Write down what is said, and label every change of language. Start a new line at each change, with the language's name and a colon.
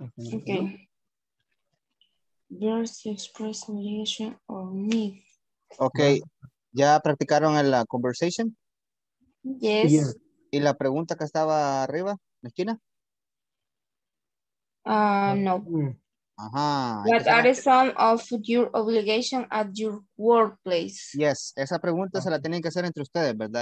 Spanish: Si ok. Verse express mediation or me. Ok. ¿Ya practicaron en la conversation?
English: Yes.
Spanish: ¿Y la pregunta que estaba arriba, en la esquina? No. Ajá.
English: What are some of your obligations at your workplace? Yes,
Spanish: esa pregunta se la tienen que hacer entre ustedes, ¿verdad?